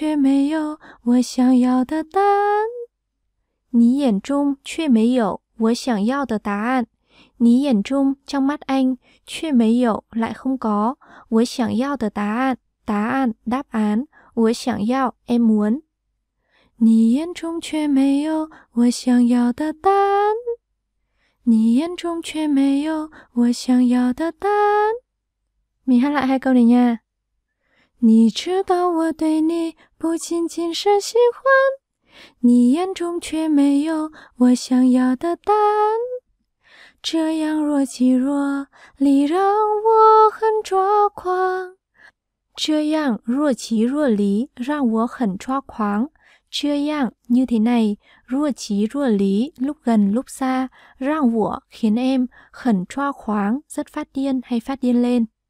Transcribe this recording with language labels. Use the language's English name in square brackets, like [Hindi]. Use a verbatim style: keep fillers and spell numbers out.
[Chinese] 你知道我对你不仅仅是喜欢，你知道我对你不仅仅是喜欢，你眼中却没有我想要的答案。你眼中却没有我想要的答案. 你眼中 [Vietnamese] trong mắt anh, [Chinese] 却没有 [Vietnamese] lại không có, [Chinese] 我想要的答案, 答案 [Vietnamese] đáp án, [Chinese] 我想要 [Vietnamese] em muốn. [Chinese] 你眼中却没有我想要的答案. 你眼中却没有我想要的答案. [Vietnamese] Mình hát lại hai câu này nha. [Chinese] 你知道我对你不仅仅是喜欢，你眼中却没有我想要的答案。这样若即若离让我很抓狂这样若即若离让我很抓狂. 这样 [Vietnamese] như thế này, [Chinese] 若即若离 [Vietnamese] lúc gần lúc xa, [Chinese] 让我 [Vietnamese] khiến em, [Chinese] 很抓狂 [Vietnamese] rất phát điên hay phát điên lên.